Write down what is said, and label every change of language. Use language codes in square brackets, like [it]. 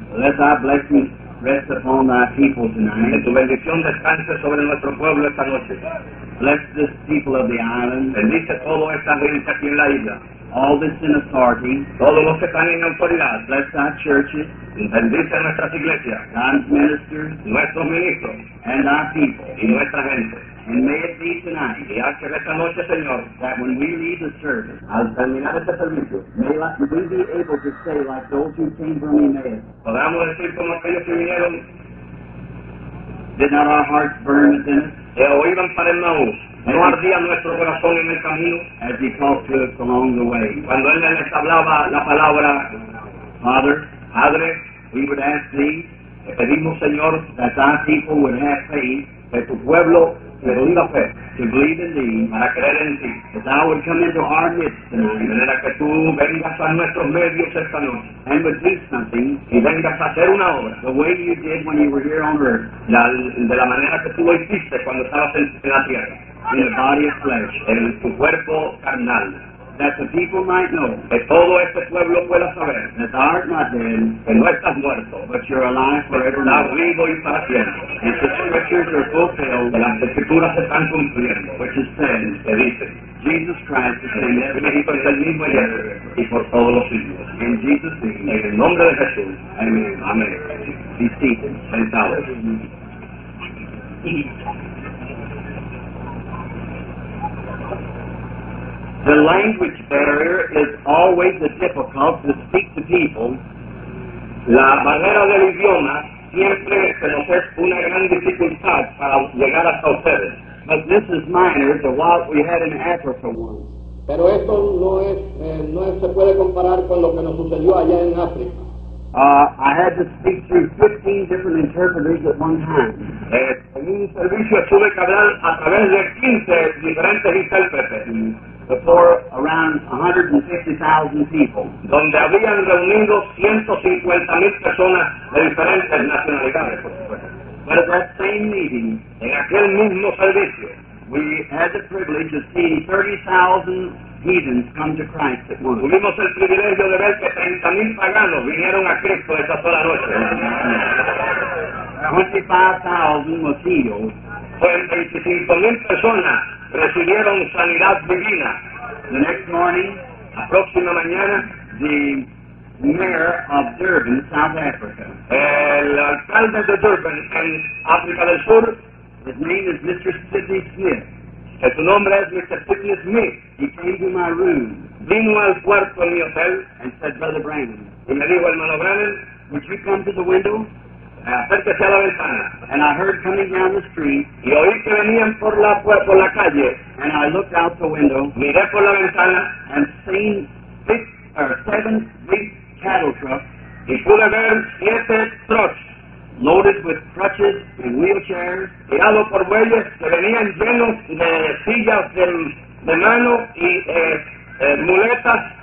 [en] let thy blessings rest upon thy people tonight. [es] Que tu bendición descanse sobre nuestro pueblo esta noche. [en] Bless this people of the island. [es] Bendice todo esta gente aquí en la isla. [en] All this in authority. [es] Todos los que están en autoridad. [en] Bless thy churches. [es] Bendice nuestras iglesias. [en] God's ministers. [es] Nuestros ministros. [en] And our people. [es] Y nuestra gente. [en] And may it be tonight. [es] Y haz que esta noche, Señor, [en] that when we leave the service, [es] al terminar este servicio, [en] may we be able to say like those who came from Emmaus. [es] Podamos decir como aquellos que vinieron. [en] Did not our hearts burn within us? [es] Que oían para el Maús. No ardía nuestro corazón en el camino. [en] As he talked to us along the way. [es] Cuando él les hablaba la palabra, [en] Father, [es] Padre, [en] we would ask thee, [es] le pedimos, Señor, [en] that thy people would have faith, [es] que tu pueblo le diga fe, [en] to believe in thee, [es] para creer en ti, [en] that thou would come into our midst tonight, [es] de manera que tú vengas a nuestros medios esta noche, [en] and would do something, [es] y vengas a hacer una obra, [en] the way you did when you were here on earth, [es] de la manera que tú lo hiciste cuando estabas en la tierra, [en] in the body of flesh, [es] en tu cuerpo carnal, [en] that the people might know, [es] que todo este pueblo pueda saber, [en] that thou art not dead, [es] que no estás muerto, [en] but you're alive forever, [es] estás vivo y para siempre, [en] and the scriptures are fulfilled, [es] que las escrituras están cumpliendo, [en] which is said, [es] que dice, [en] Jesus Christ is in [es] heaven, es el mismo ayer, y por todos los siglos, [en] in Jesus' name, [es] en el nombre de Jesús, amen, amen, [en] be seated, sentado, the language barrier is always a difficult to speak to people. [es] La barrera del idioma siempre se nos es una gran dificultad para llegar hasta ustedes. [en] But this is minor to what we had in Africa once. [es] Pero esto no es, no se puede comparar con lo que nos sucedió allá en África. [en] I had to speak to 15 different interpreters at one time. [es] En un servicio tuve que hablar a través de 15 diferentes intérpretes. [en] Before around 150,000 people. [es] Donde habían reunido 150,000 personas de diferentes nacionalidades, por supuesto. [en] But at that same meeting, [es] en aquel mismo servicio, [en] we had the privilege of seeing 30,000 heathens come to Christ at once. [es] Tuvimos el privilegio de ver que 30,000 paganos vinieron a Cristo esa sola noche. [en] 25,000 were healed. [es] Fueron 25,000 personas. Recibieron sanidad divina. [en] The next morning, [es] la próxima mañana, [en] the mayor of Durban, South Africa. [es] El alcalde de Durban, en África del Sur. [en] His name is Mr. Sidney Smith. [es] Que su nombre es Mr. Sidney Smith. [en] He came to my room. [es] Vino al cuarto en mi hotel. [en] And said, Brother Brandon. [es] Y me dijo, hermano Brandon, [en] would you come to the window? [es] Acérquese a la ventana. [en] And I heard coming down the street. [es] Y oí que venían por la calle. [en] And I looked out the window. [es] Miré por la ventana. [en] And seen seven big cattle trucks. [es] Y pude ver siete trucks. [en] Loaded with crutches and wheelchairs. [es] Tirado por bueyes que venían llenos de sillas de mano y muletas.